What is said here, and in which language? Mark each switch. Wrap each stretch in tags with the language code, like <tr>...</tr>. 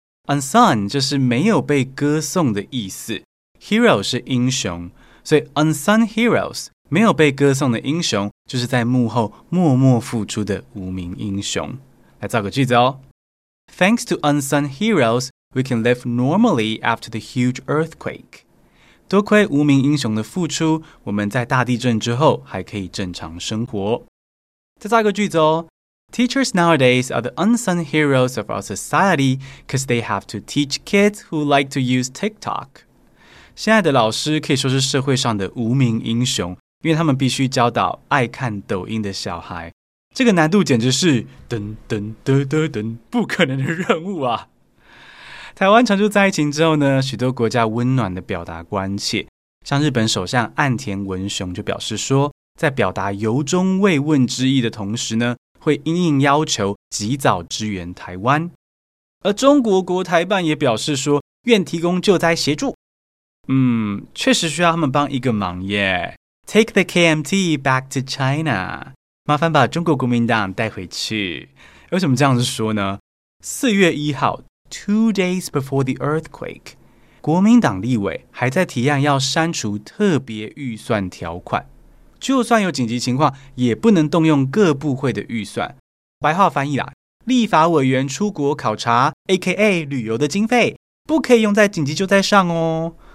<zh>unsung 就是没有被歌颂的意思， hero 是英雄，所以 unsung heroes 没有被歌颂的英雄就是在幕后默默付出的无名英雄。来造个句子哦。</zh> <en>Thanks to unsung heroes we can live normally after the huge earthquake。</en> <zh>多亏无名英雄的付出，我们在大地震之后还可以正常生活。再造一个句子哦。</zh> <en>Teachers nowadays are the unsung heroes of our society because they have to teach kids who like to use TikTok.</en> <zh>现在的老师可以说是社会上的无名英雄，因为他们必须教导爱看抖音的小孩。这个难度简直是噔噔噔噔噔，不可能的任务啊。台湾传出灾情之后呢，许多国家温暖的表达关切，像日本首相岸田文雄就表示说，在表达由衷慰问之意的同时呢，会因应要求及早支援台湾。而中国国台办也表示说，愿提供救灾协助。确实需要他们帮一个忙耶。</zh> <en>Take the KMT back to China，</en> <zh>麻烦把中国国民党带回去。为什么这样子说呢？ 4月1号，</zh> <en>2 days before the earthquake，</en> <zh>国民党立委还在提案要删除特别预算条款，就算有紧急情况也不能动用各部会的预算。白话翻译啦，立法委员出国考察 AKA 旅游的经费不可以用在紧急救灾上哦。</zh>